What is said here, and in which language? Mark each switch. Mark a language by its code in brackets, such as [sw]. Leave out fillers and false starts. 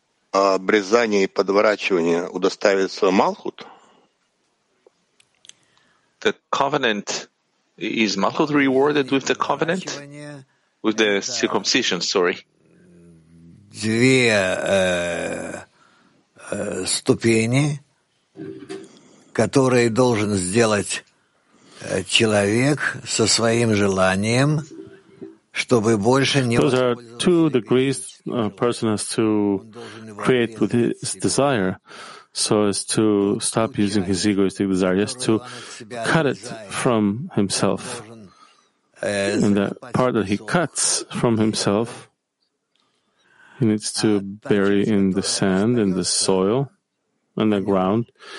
[ru] Обрезание и подворачивание удостоится Малхут? [en] The covenant, is Malchut rewarded with the covenant? With the circumcision, sorry. [ru] Две ступени, которые должен сделать человек со своим желанием, чтобы больше не... [en] Those are two degrees a person has to create with his desire, so as to stop using his egoistic desire. He has to cut it from himself. And that part that he cuts from himself, he needs to bury in the sand, in the soil, in the ground.